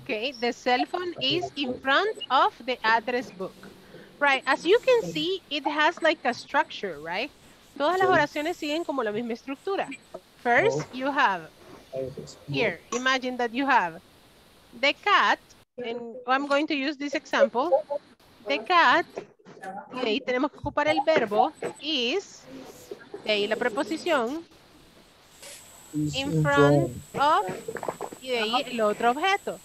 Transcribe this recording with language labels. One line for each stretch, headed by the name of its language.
English: Okay, the cell phone is in front of the address book. Right, as you can see, it has like a structure, right?
Spanish: Todas las oraciones siguen como la misma estructura.
English: First, you have, here, imagine that you have the cat And I'm going to use this example. The cat, okay,
Spanish: tenemos que ocupar el verbo,
English: is, okay,
Spanish: la preposición,
English: in front of,
Spanish: y de ahí el otro objeto.